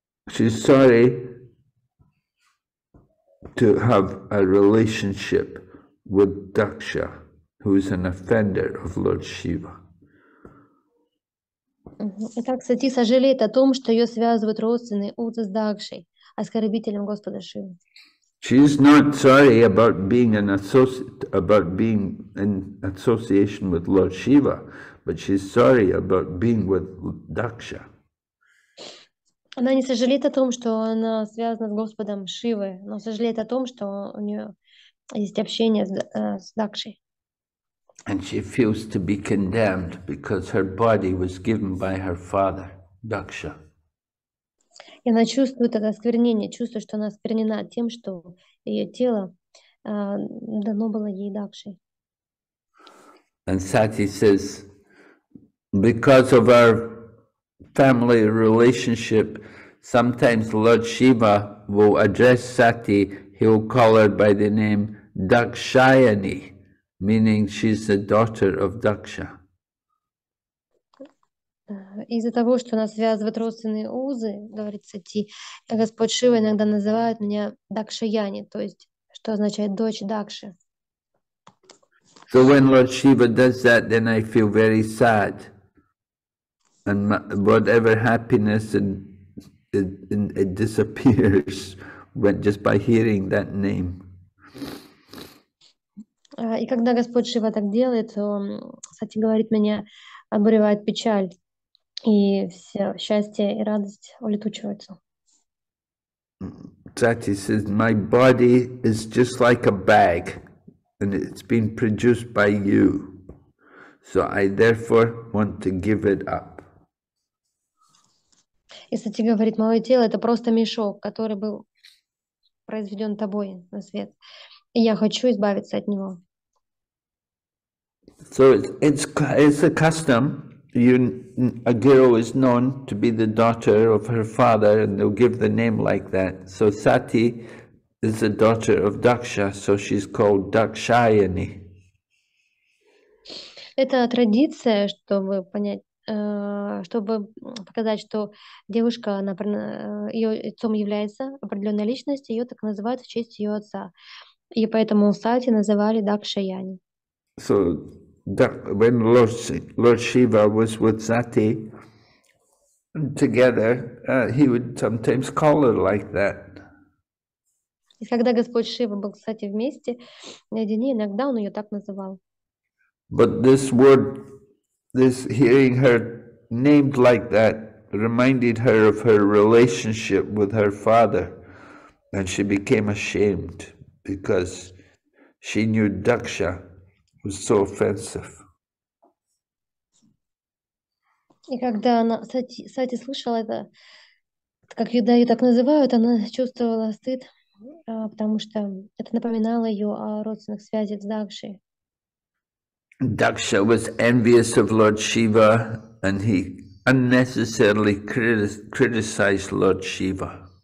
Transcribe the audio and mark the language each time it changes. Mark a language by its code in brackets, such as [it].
[en] She's sorry to have a relationship with Daksha, who is an offender of Lord Shiva. [ru] Итак, Сати сожалеет о том, что ее связывают родственные узы с Дакшей, оскорбителем Господа Шивы. [en] She's not sorry about being an associate, about being in association with Lord Shiva, but she's sorry about being with Daksha. [ru] Она не сожалеет о том, что она связана с Господом Шивы, но сожалеет о том, что у нее есть общение с Дакшей. [en] And she feels to be condemned because her body was given by her father, Daksha. [ru] И она чувствует это осквернение, чувствует, что она осквернена тем, что ее тело дано было ей Дакшей. [en] And Sati says, because of our family relationship, sometimes Lord Shiva will address Sati, he'll call her by the name Dakshayani, meaning she's the daughter of Daksha. [ru] Из-за того, что нас связывают родственные узы, говорит Сати, Господь Шива иногда называет меня Дакшаяни, то есть, что означает дочь Дакши. [en] So when Lord Shiva does that, then I feel very sad. And whatever happiness it disappears when, just by hearing that name. [ru] И когда Господь Шива так делает, то Сати говорит, меня обуревает печаль. И все счастье и радость улетучиваются. [en] Sati says, my body is just like a bag, and it's been produced by you. So I therefore want to give it up. [ru] И Сати говорит, мое тело — это просто мешок, который был произведен тобой на свет. И я хочу избавиться от него. [en] So it's a custom. A girl is known to be the daughter of her father, and they'll give the name like that. So Sati is the daughter of Daksha, so she's called Dakshayani. [ru] Это традиция, чтобы понять, чтобы показать, что девушка, она ее отцом является определенная личность, ее так называют в честь ее отца, и поэтому Сати называли Дакшаяни. [en] So when Lord Shiva was with Sati together, he would sometimes call her like that. [ru] И когда Господь Шива был с Сати вместе, наедине, иногда он ее так называл. [en] But this word, this hearing her named like that, reminded her of her relationship with her father, and she became ashamed because she knew Daksha was so offensive. [ru] И когда она, Сати слышала это, как ее, да, ее так называют, она чувствовала стыд, потому что это напоминало ее о родственных связях с Дакшей. [en] Daksha was envious of Lord Shiva, and he unnecessarily criticized Lord Shiva.